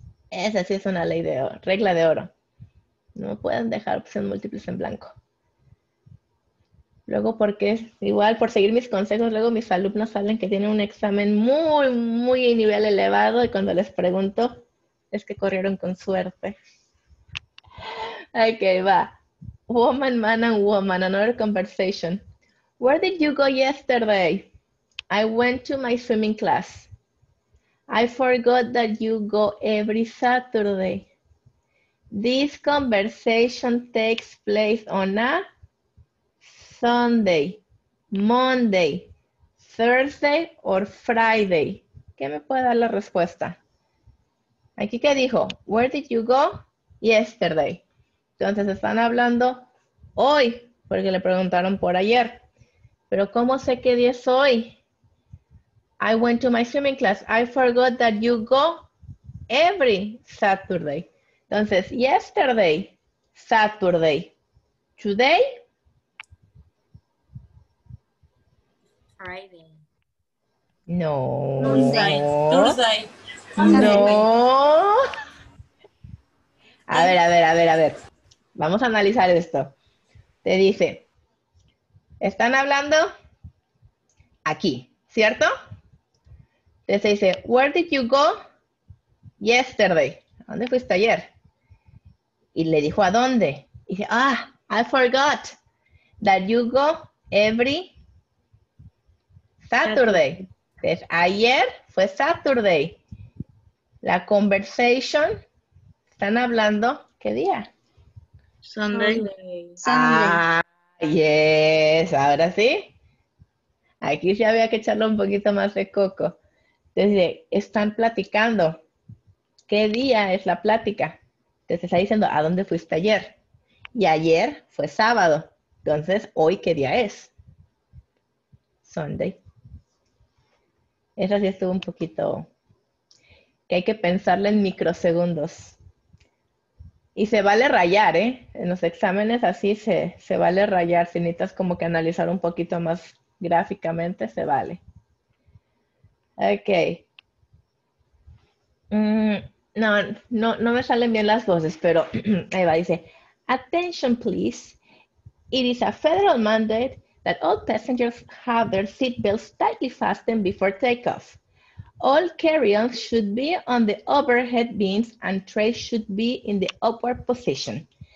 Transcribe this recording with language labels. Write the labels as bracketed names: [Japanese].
[Spanish] Esa sí es una ley de oro, regla de oro. No pueden dejar opciones múltiples en blanco. Luego, porque igual por seguir mis consejos, luego mis alumnos salen que tienen un examen muy, muy a nivel elevado y cuando les pregunto, es que corrieron con suerte. Ok, va. [English] Woman, man, and woman, another conversation. Where did you go yesterday? I went to my swimming class. I forgot that you go every Saturday. This conversation takes place on a Sunday, Monday, Thursday or Friday. [Spanish] ¿Qué me puede dar la respuesta? Aquí, ¿qué dijo? [English] Where did you go yesterday? [Spanish] Entonces, están hablando hoy, porque le preguntaron por ayer. Pero, ¿cómo sé qué día es hoy? [English] I went to my swimming class. I forgot that you go every Saturday. Entonces, yesterday, Saturday. Today, Friday. [Spanish] No. [English] Thursday. [Spanish] No. A ver, a ver, a ver, a ver. Vamos a analizar esto. Te dice, están hablando aquí, ¿cierto? Entonces dice, [English] where did you go yesterday? [Spanish] ¿Dónde fuiste ayer? Y le dijo, ¿a dónde? Y dice, ah, [English] I forgot that you go every Saturday. [Spanish] Entonces, ayer fue Saturday. La conversation, están hablando, ¿qué día? [English] Sunday. [Spanish] Sunday. Ah, yes, ahora sí. Aquí sí había que echarle un poquito más de coco. Entonces, están platicando. ¿Qué día es la plática? Entonces, está diciendo, ¿a dónde fuiste ayer? Y ayer fue sábado. Entonces, ¿hoy qué día es? Sunday. Esa sí estuvo un poquito... que hay que pensarla en microsegundos. Y se vale rayar, ¿eh? En los exámenes así se vale rayar. Si necesitas como que analizar un poquito más gráficamente, se vale. Ok. No me salen bien las voces, pero ahí va, dice, [English] attention please, it is a federal mandate that all passengers have their seatbelts tightly fastened before takeoff. All carry-ons should be on the overhead bins and trays should be in the upward position.